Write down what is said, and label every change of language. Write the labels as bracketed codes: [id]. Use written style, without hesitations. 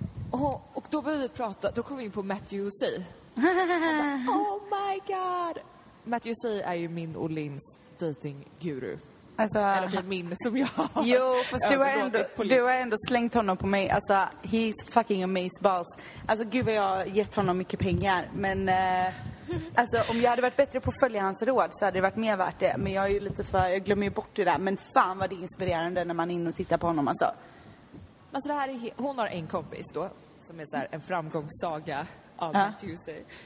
[sv] Och då började vi prata, då kom vi in på Matthew C. [en] Oh my god. [sv] Matthew C är ju min och Lins dating guru. Alltså, eller min som jag. Jo, fast du har ändå slängt honom på mig. [en] Alltså, he's fucking amazeballs. [sv] Alltså, gud vad jag har gett honom mycket pengar. Men alltså, om jag hade varit bättre på att följa hans råd så hade det varit mer värt det. Men jag är ju lite för, jag glömmer ju bort det där. Men fan vad det är inspirerande när man är inne och tittar på honom. Alltså, alltså det här är, hon har en kompis då. Som är så här en framgångssaga av Matthew C.